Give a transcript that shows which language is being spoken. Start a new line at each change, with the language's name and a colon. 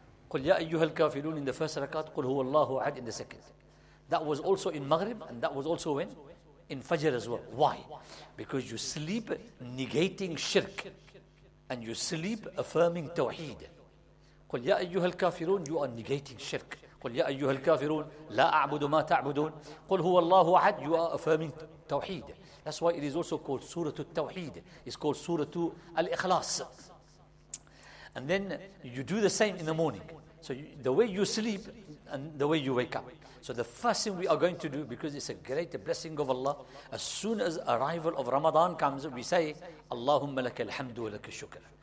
Arabic: قُلْ يَا أَيُّهَا الْكَافِرُونَ
English: in the first rakat,
Arabic: قُلْ هُوَ اللَّهُ أَحَدٍ
English: in the second. That was also in Maghrib, and that was also when? In Fajr as well. Why? Because you sleep negating shirk, and you sleep affirming tawheed.
Arabic: قُلْ يَا أَيُّهَا الْكَافِرُونَ
English: you are negating shirk.
Arabic: قُلْ يَا أَيُّهَا الْكَافِرُونَ لَا أَعْبُدُ مَا تَعْبُدُونَ قُلْ هُوَ اللَّهُ أَحَدٍ
English: you are affirming tawheed. That's why it is also called Surah Al-Tawheed. It's called Surah Al-Ikhlas. And then you do the same in the morning. So the way you sleep and the way you wake up. So the first thing we are going to do, because it's a great blessing of Allah, as soon as arrival of Ramadan comes, we say,
Arabic: اللهم لك الحمد ولك الشكر.